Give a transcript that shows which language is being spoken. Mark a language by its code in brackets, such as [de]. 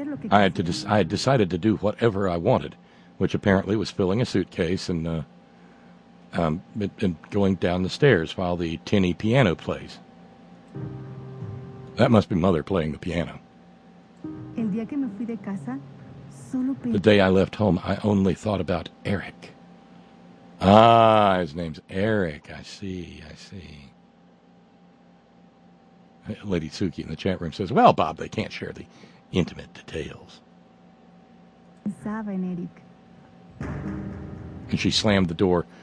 [en] I had decided to do whatever I wanted, which apparently was filling a suitcase and going down the stairs while the tinny piano plays. That must be Mother playing the piano. [es] El día que me fui de casa, solo pensé... [en] The day I left home, I only thought about Eric. Ah, his name's Eric. I see. Lady Suki in the chat room says, well, Bob, they can't share the intimate details. And she slammed the door.